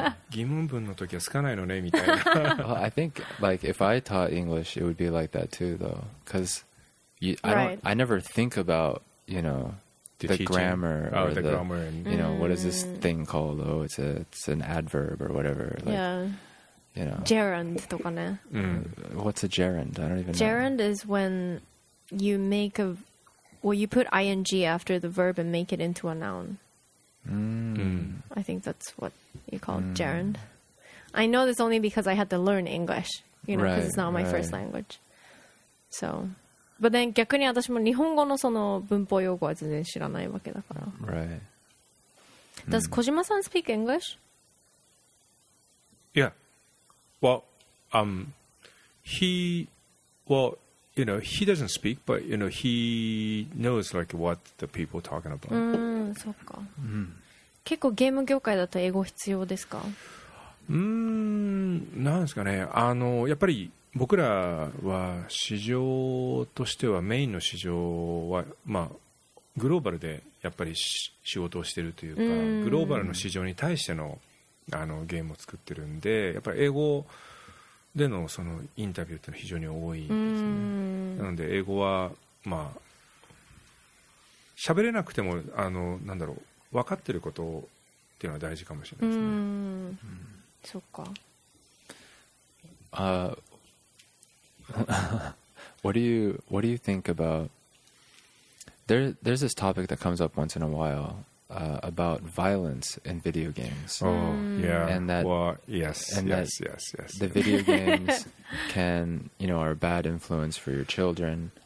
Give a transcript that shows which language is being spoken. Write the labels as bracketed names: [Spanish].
[Japanese] 疑問文の時は使わないのねみたいな. [English] Well, I think like if I taught English, it would be like that too, though, because I never think about, you know, the grammar, oh, or the grammar, and, you know, what is this thing called? Oh, it's an adverb or whatever. Like, yeah. You know. [Japanese] Gerund とかね. [English] What's a gerund? I don't even gerund know. Gerund is when you make a, well, you put ing after the verb and make it into a noun. I think that's what you call gerund. I know this only because I had to learn English, you know, because it's not my first language. So... But then, [Japanese] 逆に私も日本語のその文法用語は全然知らないわけだから。 [English] Right. Does Kojima san speak English? Yeah. Well, he, well, you know, he doesn't speak, but, you know, he knows like what the people are talking about. [Japanese] そっか。結構ゲーム業界だと英語必要ですか？なんですかね。あの、やっぱり、僕らは市場としてはメインの市場はまあグローバルでやっぱり仕事をしているというかグローバルの市場に対して あのゲームを作ってるんでやっぱり英語で そのインタビューってのは非常に多いですねなので英語はまあ喋れなくてもあのなんだろう分かってることっていうのは大事かもしれないですねそっか [English] what do you think about there's this topic that comes up once in a while about violence in video games. Oh yeah. And that yes. The video games can, you know, are a bad influence for your children.